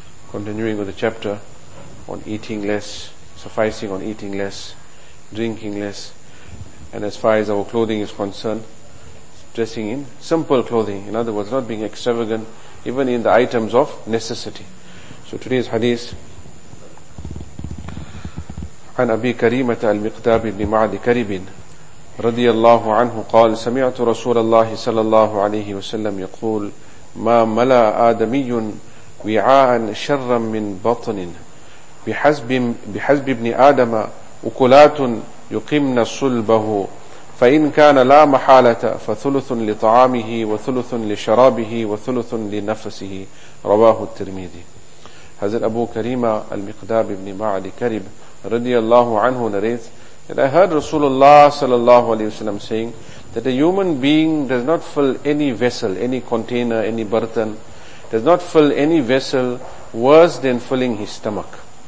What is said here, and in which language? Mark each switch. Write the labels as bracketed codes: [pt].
[en] Continuing with the chapter on eating less, sufficing on eating less, drinking less, and as far as our clothing is concerned, dressing in simple clothing. In other words, not being extravagant, even in the items of necessity. So today's hadith, [ar] عن أبي كريمة المقداب بن معد كريب رضي الله عنه قال سمعت رسول الله صلى الله عليه وسلم يقول ما ملا آدمي وعاء شرا من بطن بحسب ابن آدم أكلات يقمن صلبه فإن كان لا محالة فثلث لطعامه وثلث لشرابه وثلث لنفسه رواه الترمذي. [en] حضرت أبو كريمة المقداب بن معد كرب radiallahu anhu narrates that I heard Rasulullah sallallahu alayhi wasallam saying that a human being does not fill any vessel, any container, any burden, does not fill any vessel worse than filling his stomach.